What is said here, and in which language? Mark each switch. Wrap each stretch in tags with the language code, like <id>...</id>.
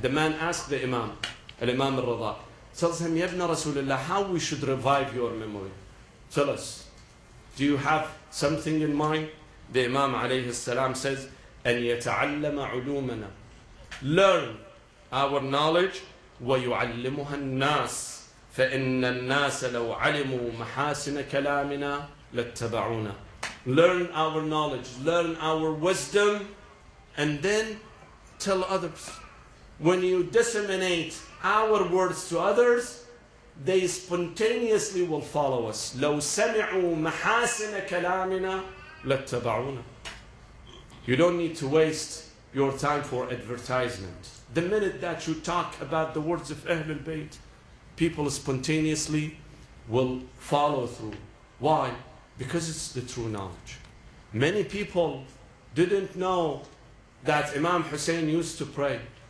<en>The man asked the Imam, al-Imam al-Rida, tells him, Yabna Rasulullah, how we should revive your memory? Tell us, do you have something in mind? The Imam alayhi salam says,</en> <ar>أن يتعلم علومنا.</ar> <en>Learn our knowledge,</en> <ar>ويعلمها الناس. فإن الناس لو علموا محاسن كلامنا لاتبعونا.</ar> <en>Learn our knowledge, learn our wisdom, and then tell others. When you disseminate our words to others, they spontaneously will follow us.</en> <ar>لو سمعوا محاسن كلامنا لاتبعونا.</ar> <en>You don't need to waste your time for advertisement. The minute that you talk about the words of Ahlul Bayt, people spontaneously will follow through. Why? Because it's the true knowledge. Many people didn't know that Imam Hussein used to pray.</en>